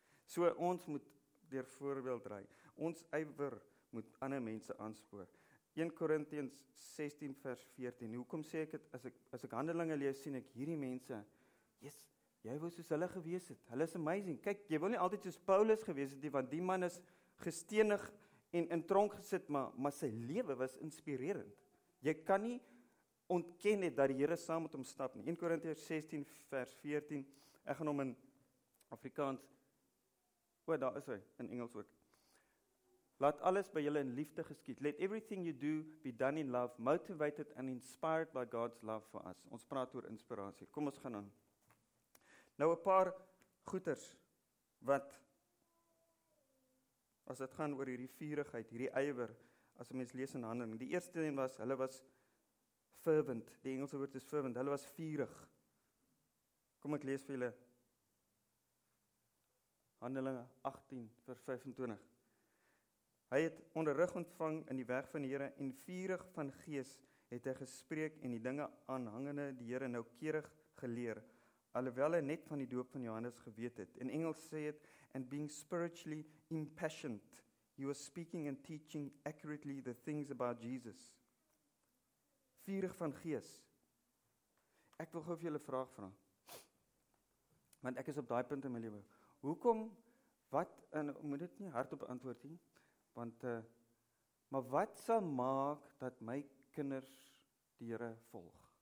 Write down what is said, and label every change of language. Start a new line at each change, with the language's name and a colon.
Afrikaans: So ons moet deur voorbeeld draai, ons ywer moet ander mense aanspoor, 1 Korintiërs 16 vers 14, hoekom sê ek het, as ek handelinge lees, sien ek hierdie mense, yes, jy wou soos hulle gewees het, hulle is amazing, kyk, jy wil nie altyd soos Paulus gewees het nie, want die man is gestenig en in tronk gesit, maar sy lewe was inspirerend, jy kan nie ontken het, dat die Here saam met hom stap nie, 1 Korintiërs 16 vers 14, ek gaan hom in Afrikaans, oh, daar is hy, in Engels ook, laat alles by julle in liefde geskied.
English: Let everything you do be done in love, motivated and inspired by God's love for us.
Afrikaans: Ons praat oor inspirasie. Kom, ons gaan aan. Nou, 'n paar goeters, wat, as dit gaan oor hierdie vierigheid, hierdie ywer, as een mens lees in handeling, die eerste ding was, hulle was fervent, die Engelse woord is fervent, hulle was vierig. Kom, ek lees vir julle, Handelinge 18 vers 25. Hy het onderrig ontvang in die weg van die Here en vierig van gees het hy gespreek en die dinge aanhangende die Here noukeurig geleer, alhoewel hy net van die doop van Johannes geweet het. In Engels sê het,
English: and being spiritually impassioned, he was speaking and teaching accurately the things about Jesus.
Afrikaans: Vierig van gees. Ek wil gou vir julle 'n vraag vra, want ek is op daai punt in my lewe. Hoekom, wat, en moet dit nie hardop antwoord nie, want, maar wat sal maak dat my kinders die Here volg?